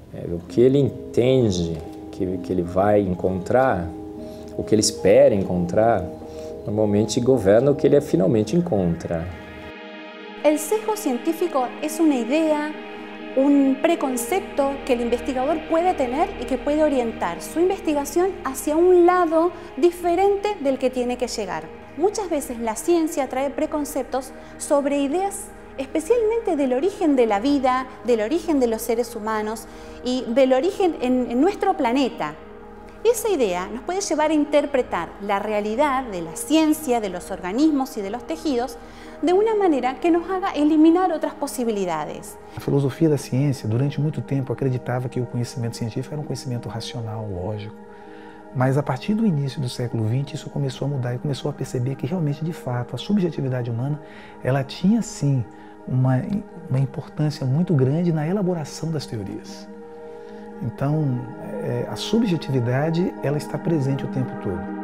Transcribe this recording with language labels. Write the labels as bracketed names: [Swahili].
[Portuguese] O que ele entende que ele vai encontrar, o que ele espera encontrar, normalmente governa o que ele finalmente encontra. O [Spanish] sesgo [Portuguese] científico é uma ideia, um preconceito que o investigador pode ter e que pode orientar sua investigação [Spanish] hacia [Portuguese] um lado diferente do que tem que chegar. Muitas vezes a ciência traz preconceitos sobre ideias especialmente [Spanish] del origen de la vida, del origen de los seres humanos y del origen en nuestro planeta. Esa idea nos puede llevar a interpretar la realidad de la ciencia, de los organismos y de los tejidos de una manera que nos haga eliminar otras posibilidades. La filosofía de la ciencia durante mucho tiempo acreditaba que el conocimiento científico era un conocimiento racional, lógico. [Portuguese] Mas a partir do início do século XX, isso começou a mudar e começou a perceber que realmente, de fato, a subjetividade humana, ela tinha, sim, uma importância muito grande na elaboração das teorias. Então, a subjetividade, ela está presente o tempo todo.